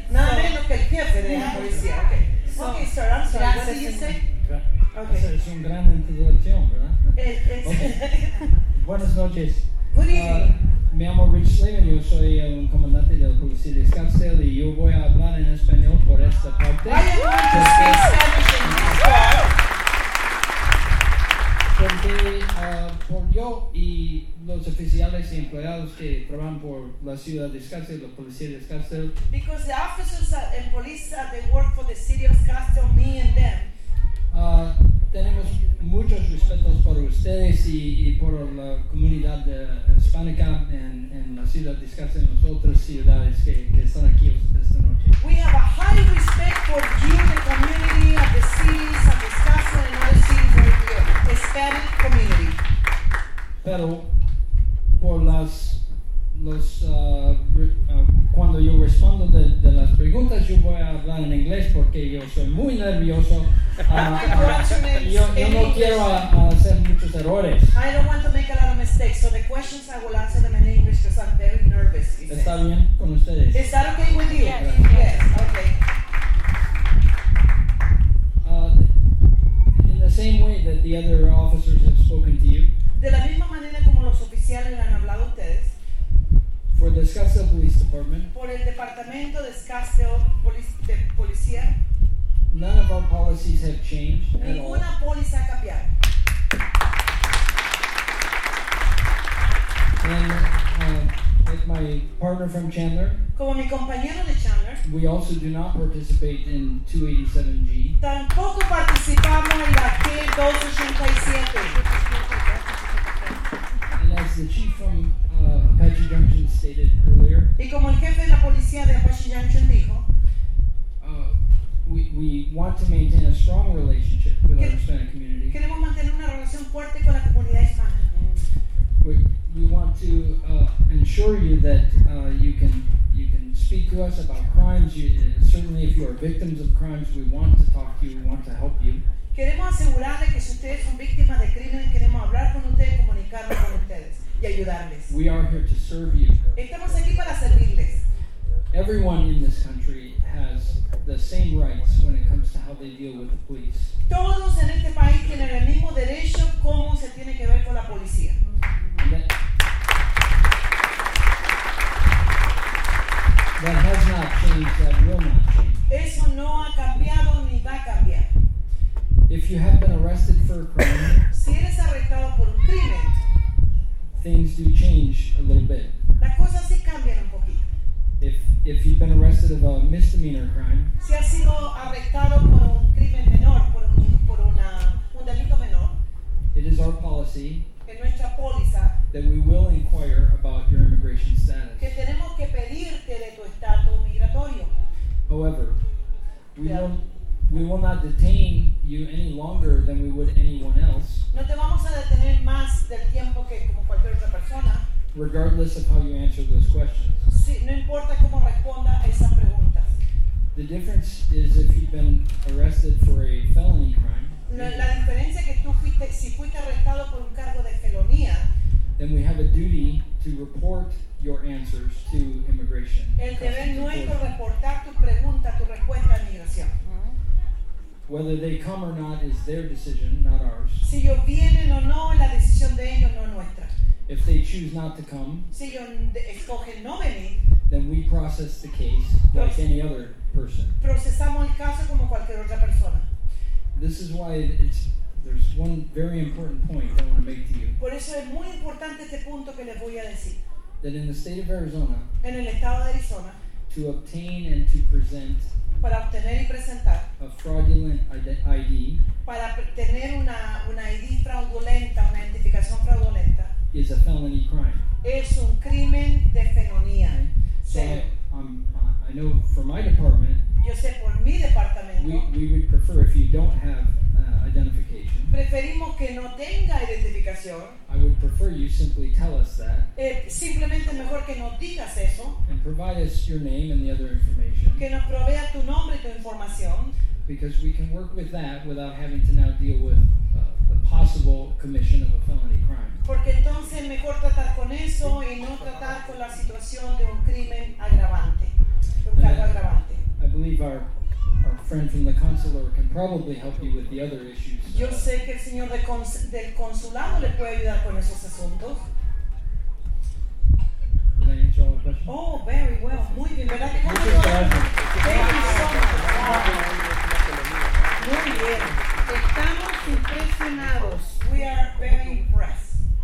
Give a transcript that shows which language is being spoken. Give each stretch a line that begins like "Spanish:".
Spanish: No, no, no, que el jefe de la policía.
English: Okay. Okay, sir. I'm sorry. What did you say?
Spanish: Okay. Es un gran introducción, ¿verdad?
English: Okay.
Spanish: Buenas noches.
English: Good evening.
Spanish: Me llamo Rich Slavin, yo soy el comandante de la policía de Scottsdale y yo voy a hablar en español por esta parte.
English: I am going to speak Spanish in this part.
Spanish: Porque por yo y los oficiales y empleados que trabajan por la ciudad de Scottsdale, la policía de Scottsdale.
English: Because the officers and police that work for the city of Scottsdale, me and them.
Spanish: Tenemos muchos respetos por ustedes y por la comunidad de hispánica en la ciudad de Escazú y las otras ciudades que están aquí esta noche.
English: We have a high respect for you, the community of the cities of Escazú and other cities right here, the Hispanic community.
Spanish: Pero por las cuando yo respondo de las preguntas, yo voy a hablar en inglés porque yo soy muy nervioso. yo no quiero hacer muchos errores.
English: I don't want to make a lot of mistakes, so the questions I will answer them in English because I'm very nervous.
Spanish: ¿Está bien con ustedes?
English: Is that okay with you? Yes. Okay. In the same way that the other officers have spoken to you.
Spanish: De la misma manera como los oficiales han hablado a ustedes.
English: For the Scottsdale Police Department.
Spanish: Por el departamento de Scottsdale de policía.
English: None of our policies have changed at all.
Spanish: Ninguna póliza ha cambiado.
English: And like my partner from Chandler.
Spanish: Como mi compañero de Chandler.
English: We also do not participate in 287G.
Spanish: Tampoco participamos en la T287.
English: And as the chief from Apache Junction stated earlier.
Spanish: Y como el jefe de la policía de Apache Junction dijo.
English: We want to maintain a strong relationship with our Hispanic community.
Spanish: Queremos mantener una relación fuerte con la comunidad hispana.
English: We want to ensure you that you can speak to us about crimes. Certainly, if you are victims of crimes, we want to talk to you. We want to help you.
Spanish: Queremos asegurarle que si ustedes son víctimas de crímenes, queremos hablar con ustedes, comunicarnos con ustedes y ayudarles.
English: We are here to serve you.
Spanish: Estamos aquí para servirles.
English: Everyone in this country has the same rights when it comes to how they deal with the police.
Spanish: Todos en este país tienen el mismo derecho cómo se tiene que ver con la policía.
English: That has not changed, that will not change.
Spanish: Eso no ha cambiado ni va a cambiar.
English: If you have been arrested for a crime,
Spanish: si eres arrestado por un crimen,
English: things do change a little bit.
Spanish: Las cosas sí cambian un poquito.
English: If you've been arrested of a misdemeanor crime,
Spanish: si has sido arrestado por un crimen menor, por un delito menor,
English: it is our policy,
Spanish: en nuestra póliza,
English: that we will inquire about your immigration status.
Spanish: Que tenemos que pedirte de tu estatus migratorio.
English: However, we will not detain you any longer than we would anyone else.
Spanish: No te vamos a detener más del tiempo que como cualquier otra persona.
English: Regardless of how you answer those questions.
Spanish: Sí, no importa cómo responda a esas preguntas.
English: The difference is if you've been arrested for a felony crime.
Spanish: La diferencia es que tú fuiste, si fuiste arrestado por un cargo de felonía.
English: Then we have a duty to report your answers to immigration.
Spanish: El deber nuestro reportar tu pregunta, tu respuesta a migración.
English: Whether they come or not is their decision, not ours.
Spanish: Si ellos vienen o no, la decisión de ellos no nuestra.
English: If they choose not to come,
Spanish: si ellos escogen no venir,
English: then we process the case like any other person.
Spanish: Procesamos el caso como cualquier otra persona.
English: This is why there's one very important point I want to make to you.
Spanish: Por eso es muy importante este punto que les voy a decir.
English: That in the state of Arizona,
Spanish: en el estado de Arizona,
English: to obtain and to present,
Spanish: para obtener y presentar,
English: a fraudulent ID,
Spanish: para tener una ID fraudulenta, una identificación fraudulenta,
English: is a felony crime.
Spanish: Es un crimen de felonía.
English: Okay. So I know for my department,
Spanish: yo sé por mi departamento,
English: we would prefer if you don't have identification.
Spanish: Preferimos que no tenga identificación.
English: I would prefer you simply tell us that.
Spanish: Simplemente mejor que nos digas eso.
English: And provide us your name and the other information.
Spanish: Que nos provea tu nombre y tu información.
English: Because we can work with that without having to now deal with the possible commission of a felony crime.
Spanish: Porque entonces mejor tratar con eso y no tratar con la situación de un crimen agravante.
English: I believe our friend from the consular can probably help you with the other issues.
Spanish: Yo sé que el señor del consulado le puede ayudar con esos asuntos.
English: Did I answer all the questions? Oh, very well.
Spanish: Muy bien, ¿verdad?
English: Thank you so much.
Spanish: Muy bien. Estamos impresionados.
English: We are very impressed.